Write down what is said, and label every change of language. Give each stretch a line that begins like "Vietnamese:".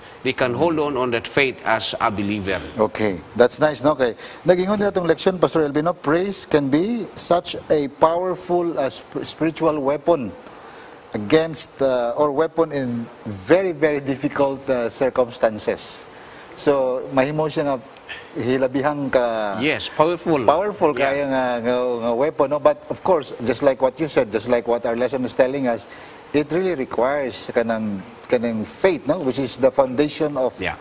English: We can hold on that faith as a believer. Okay, that's nice. No? Okay,
Cebuano: naging hindi natong leksyon,
English: Pastor Elvino, praise can be such a powerful spiritual weapon against or weapon in very, very difficult circumstances.
Cebuano: So, mahimo siya nga hilabihang ka...
English: Yes, powerful.
Cebuano: Powerful kaya nga weapon. No?
English: But of course, just like what you said, just like what our lesson is telling us, it really requires
Cebuano: kaning faith, no?
English: Which is the foundation of